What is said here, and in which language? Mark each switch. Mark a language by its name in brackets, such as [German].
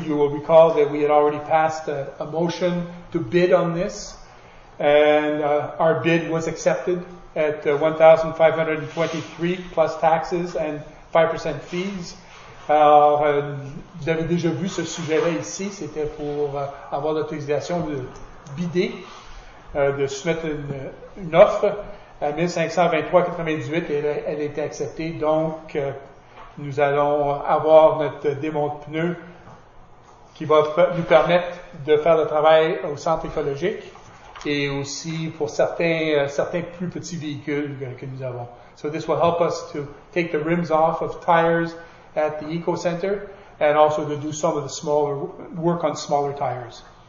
[English] You will recall that we had already passed a motion to bid on this, and our bid was accepted at $1,523 plus taxes and 5% fees. [French] Alors, vous avez déjà vu ce sujet-là ici. C'était pour avoir l'autorisation de bider, de soumettre une offre à $1,523.98. Elle a été acceptée, donc nous allons avoir notre démonte-pneu qui va nous permettre de faire le travail au centre écologique et aussi pour certains plus petits véhicules que nous avons. [English] So this will help us to take the rims off of tires at the Eco Center and also to do some of the smaller work on smaller tires.